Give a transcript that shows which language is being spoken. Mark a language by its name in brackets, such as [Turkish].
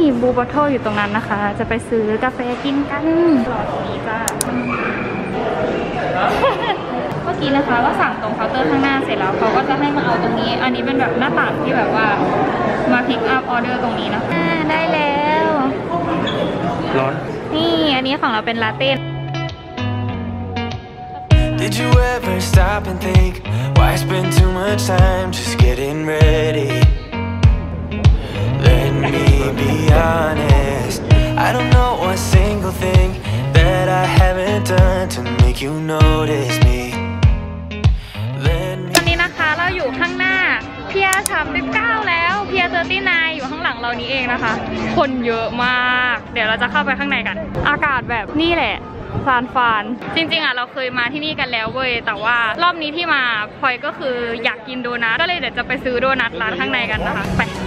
[Thai] บอทเทิลอยู่ตรงนั้นนะคะจะไปซื้อกาแฟกินกันตลอดนี้จ้าเมื่อกี้นะคะก็สั่งตรงเคาน์เตอร์ข้างหน้าเสร็จแล้วเขาก็จะให้มาเอาตรงนี้อันนี้เป็นแบบหน้าต่างที่แบบว่ามาพิกอัพออเดอร์ตรงนี้นะคะ ได้แล้ว ร้อน นี่อันนี้ของเราเป็นลาเต้ [English] Did you ever stop and think why spend too much time just getting ready? Let me be honest, I don't know a single thing that I haven't done to make you notice me. [Thai] ตอนนี้นะคะเราอยู่ข้างหน้าเพียร์39แล้วเพียร์39อยู่ข้างหลังเรานี้เองนะคะคนเยอะมากเดี๋ยวเราจะเข้าไปข้างในกันอากาศแบบนี่แหละซานฟานจริงๆอ่ะเราเคยมาที่นี่กันแล้วเว้ยแต่ว่ารอบนี้ที่มาพลอยก็คืออยากกินโดนัทก็เลยเดี๋ยวจะไปซื้อโดนัทร้านข้างในกันนะคะไป